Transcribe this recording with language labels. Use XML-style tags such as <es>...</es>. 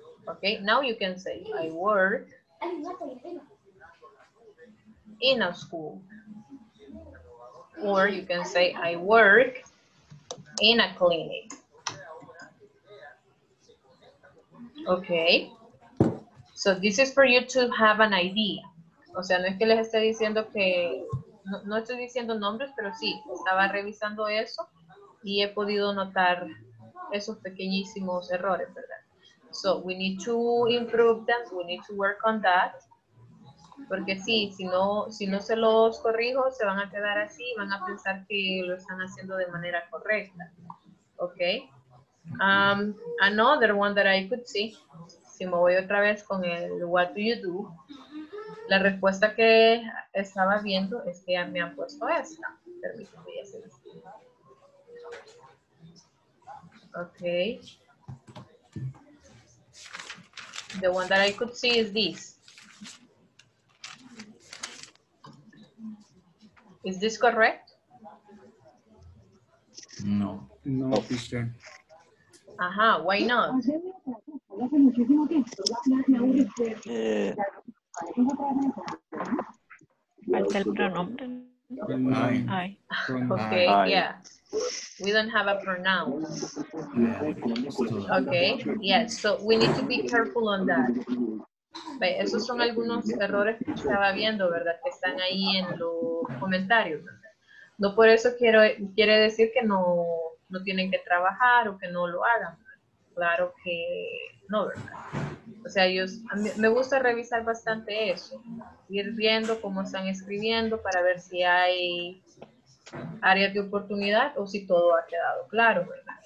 <en>Okay, now you can say, I work in a school. Or you can say, I work in a clinic. Okay. So this is for you to have an idea.</en> <es>O sea, no es que les esté diciendo que, no, no estoy diciendo nombres, pero sí, estaba revisando eso y he podido notar esos pequeñísimos errores, ¿verdad?</es> <en>So we need to improve that, we need to work on that.</en> <es>Porque sí, si no se los corrijo, se van a quedar así y van a pensar que lo están haciendo de manera correcta.</es> <en>Okay. Another one that I could see.</en> <es>Si me voy otra vez con el</es> <en>what do you do,</en> <es>la respuesta que estaba viendo es que ya me han puesto esta. Permítanme hacer esto.</es> <en>Ok. The one that I could see is this. Is this correct? No. No, teacher. Ajá, why not?</en> <es>Falta el pronombre. Ay.</es> <en>Okay, yeah. We don't have a pronoun. Okay, yeah, so we need to be careful on that.</en> <es>Esos son algunos errores que estaba viendo, ¿verdad? Que están ahí en los comentarios. No por eso quiere decir que no tienen que trabajar o que no lo hagan. Claro que no, ¿verdad? O sea, me gusta revisar bastante eso, ir viendo cómo están escribiendo para ver si hay áreas de oportunidad o si todo ha quedado claro, ¿verdad?</es>